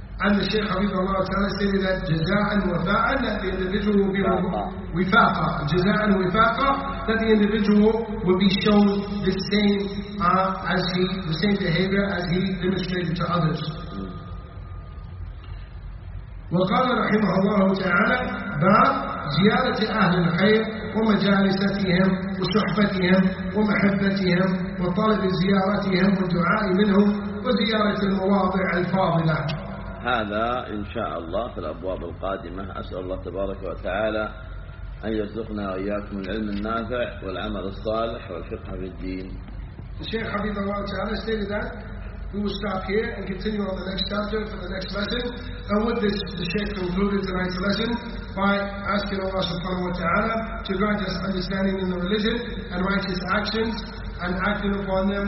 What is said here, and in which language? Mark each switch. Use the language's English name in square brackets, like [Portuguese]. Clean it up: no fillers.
[English] And the Shaykh Habib Allah Ta'ala stated that [Arabic] جزاء وفاء, [English] that the individual will be [Arabic] وفاقا. جزاء وفاقا, [English] that the individual will be shown the same the same behavior as he demonstrated to others. [Arabic] وقال رحمه الله تعالى باب زيارة أهل الخير ومجالستهم وصحبتهم ومحبتهم وطلب زيارتهم والدعاء منهم وزيارة المواضع الفاضلة. هذا إن شاء الله في الأبواب القادمة. أسأل الله تبارك وتعالى أن يرزقنا وإياكم العلم النافع والعمل الصالح والفقه في الدين. [English] The Shaykh Habib Allah Ta'ala stated that we will stop here and continue on the next chapter for the next lesson. And with this, the Shaykh concluded tonight's lesson by asking Allah Subhanahu Wa Ta'ala to grant us understanding in the religion and righteous actions and acting upon them.